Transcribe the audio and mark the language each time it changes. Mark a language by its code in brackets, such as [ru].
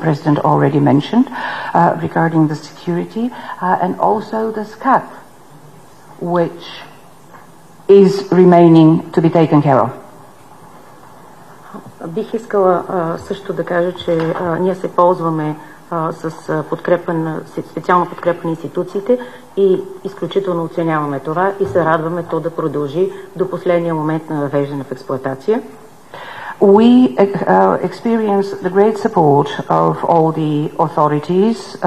[en] President already mentioned, regarding the security and also the SCAP, which is remaining to be taken care of. [bg] Бих искала също да кажа, че ние се ползваме с подкрепа на специална подкрепа на институциите и изключително оценяваме това и се радваме то да продължи до последния момент на въвеждане в експлоатация. [en] We experience the great support of all the authorities.